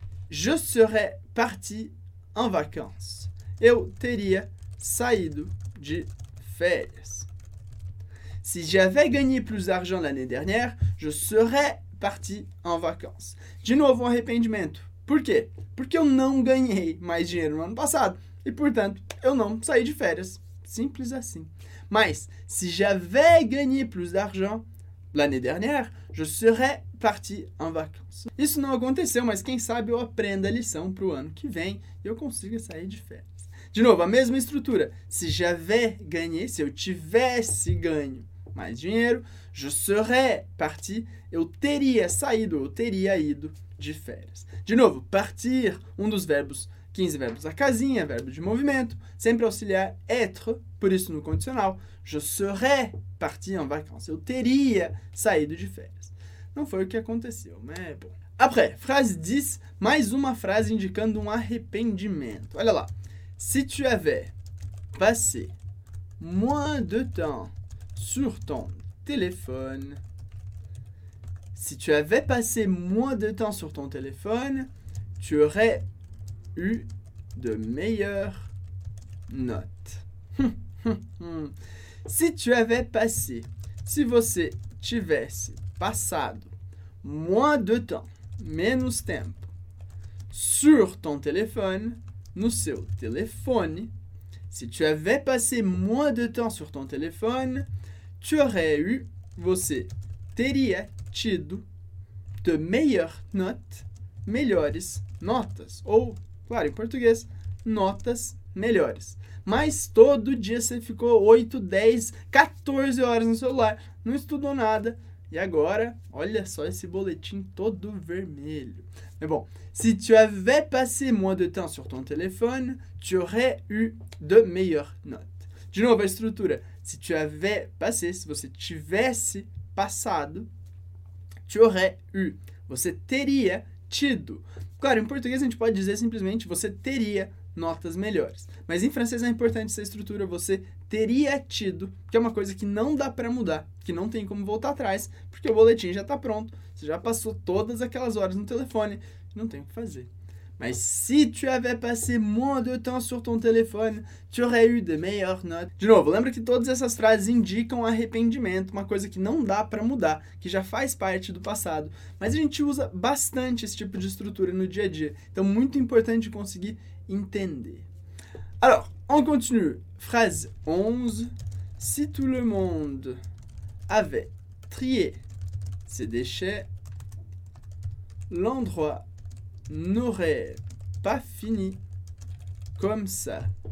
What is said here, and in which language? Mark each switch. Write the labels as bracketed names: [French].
[French] Je serais parti en vacances. [Portuguese] Eu teria saído de férias. [French] Si j'avais gagné plus d'argent l'année dernière, je serais parti en vacances. [Portuguese] De novo, arrependimento. Por quê? Porque eu não ganhei mais dinheiro no ano passado. E, portanto, eu não saí de férias. Simples assim. [French] Mas, si j'avais gagné plus d'argent l'année dernière, je serais parti en vacances. [Portuguese] Isso não aconteceu, mas quem sabe eu aprenda a lição para o ano que vem e eu consiga sair de férias. De novo, a mesma estrutura. [French] Si j'avais gagné, [Portuguese] se eu tivesse ganho mais dinheiro, [French] je serais parti, [Portuguese] eu teria saído, eu teria ido de férias. De novo, partir, um dos verbos, 15 verbos a casinha, verbo de movimento, sempre auxiliar être, por isso no condicional, [French] je serais parti en vacances, [Portuguese] eu teria saído de férias. Não foi o que aconteceu, mas é bom. [French] Après, phrase 10, [Portuguese] mais uma frase indicando um arrependimento. Olha lá. [French] Si tu avais passé moins de temps sur ton téléphone, si tu avais passé moins de temps sur ton téléphone, tu aurais eu de meilleures notes. Si tu avais passé, [Portuguese] si você tivesse passado [French] moins de temps, [Portuguese] menos tempo, [French] sur ton téléphone, [Portuguese] no seu telefone, [French] si tu avais passé moins de temps sur ton téléphone, tu aurais eu, [Portuguese] você teria tido [French] de meilleures notes, [Portuguese] melhores notas, ou, claro, em português, notas melhores. Mas todo dia você ficou 8, 10, 14 horas no celular, não estudou nada. E agora, olha só esse boletim todo vermelho. [French] Mais bon, si tu avais passé moins de temps sur ton téléphone, tu aurais eu de meilleures notes. [Portuguese] De novo, a estrutura. [French] Si tu avais passé, [Portuguese] se você tivesse passado, [French] tu aurais eu, [Portuguese] você teria tido. Claro, em português a gente pode dizer simplesmente você teria notas melhores. Mas em francês é importante essa estrutura, você teria tido, que é uma coisa que não dá para mudar, que não tem como voltar atrás, porque o boletim já está pronto, você já passou todas aquelas horas no telefone, não tem o que fazer. [French] Mas si tu avais passé moins de temps sur ton téléphone, tu aurais eu de meilleures notes. [Portuguese] De novo, lembra que todas essas frases indicam arrependimento, uma coisa que não dá para mudar, que já faz parte do passado. Mas a gente usa bastante esse tipo de estrutura no dia a dia, então muito importante conseguir entender. [French] Alors, on continue. Phrase 11. Si tout le monde avait trié ses déchets, l'endroit n'aurait pas fini comme ça.